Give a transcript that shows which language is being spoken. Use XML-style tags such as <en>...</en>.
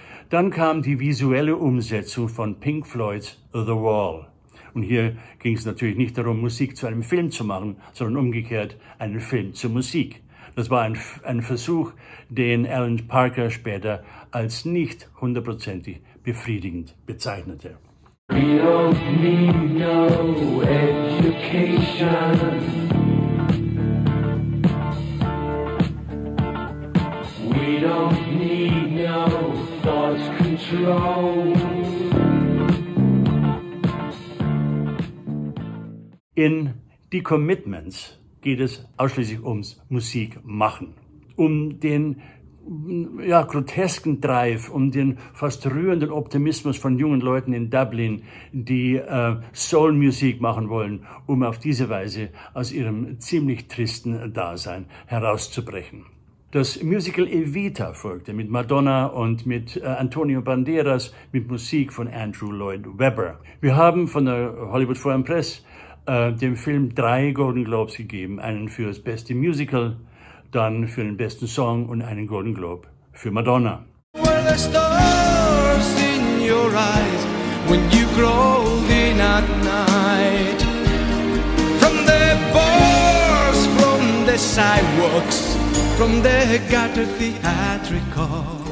<de>Dann kam die visuelle Umsetzung von Pink Floyds The Wall. Und hier ging es natürlich nicht darum, Musik zu einem Film zu machen, sondern umgekehrt einen Film zur Musik. Das war ein Versuch, den Alan Parker später als nicht hundertprozentig befriedigend bezeichnete.</de> <en>We don't need no education. We don't need no thought control.</en> <de>In The Commitments geht es ausschließlich ums Musik machen, um den grotesken Drive, um den fast rührenden Optimismus von jungen Leuten in Dublin, die Soul-Musik machen wollen, um auf diese Weise aus ihrem ziemlich tristen Dasein herauszubrechen. Das Musical Evita folgte mit Madonna und mit Antonio Banderas, mit Musik von Andrew Lloyd Webber. Wir haben von der Hollywood Foreign Press dem Film 3 Golden Globes gegeben, einen für das beste Musical, dann für den besten Song und einen Golden Globe für Madonna.</de> <en>Were there stars in your eyes when you crawled in at night? From the bars, from the sidewalks, from the gutter theatrical.</en>